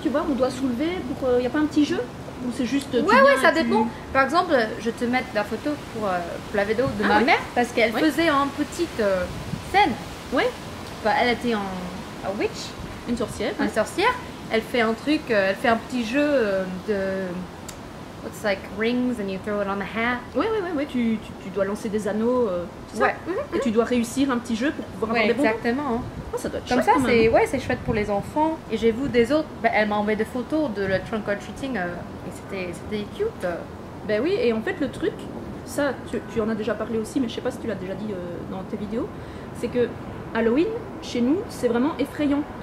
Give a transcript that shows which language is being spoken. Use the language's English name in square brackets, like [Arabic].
[French] Tu vois, on doit soulever pour. Il n'y a pas un petit jeu? Ou c'est juste. Ouais, ouais, ça dépend. Par exemple, je te mets la photo pour la vidéo de ma mère. Parce qu'elle faisait une petite scène. Oui. Bah, elle était en. Une sorcière. Une sorcière. elle fait un truc, elle fait un petit jeu de... [English] It's like rings and you throw it on the hat. [French] Oui, tu dois lancer des anneaux, tout ça. Ouais. Et tu dois réussir un petit jeu pour pouvoir avoir des bonbons. Exactement. Oh, ça doit être comme chouette. Comme ça, c'est chouette pour les enfants. Et j'ai vu des autres, elle m'a envoyé des photos de le trunk or treating et c'était cute. Ben oui, et en fait le truc, ça tu en as déjà parlé aussi, mais je sais pas si tu l'as déjà dit dans tes vidéos, c'est que Halloween, chez nous, c'est vraiment effrayant.